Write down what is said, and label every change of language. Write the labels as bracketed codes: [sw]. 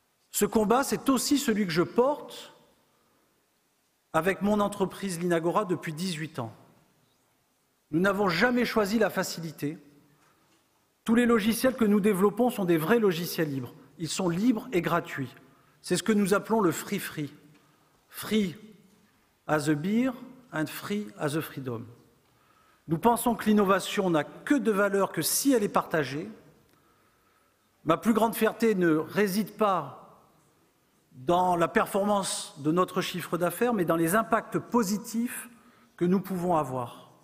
[fr] Ce combat, c'est aussi celui que je porte avec mon entreprise Linagora depuis 18 ans. Nous n'avons jamais choisi la facilité. Tous les logiciels que nous développons sont des vrais logiciels libres. Ils sont libres et gratuits. C'est ce que nous appelons le free-free. [en] Free as a beer and free as a freedom. [fr] Nous pensons que l'innovation n'a que de valeur que si elle est partagée. Ma plus grande fierté ne réside pas dans la performance de notre chiffre d'affaires, mais dans les impacts positifs que nous pouvons avoir.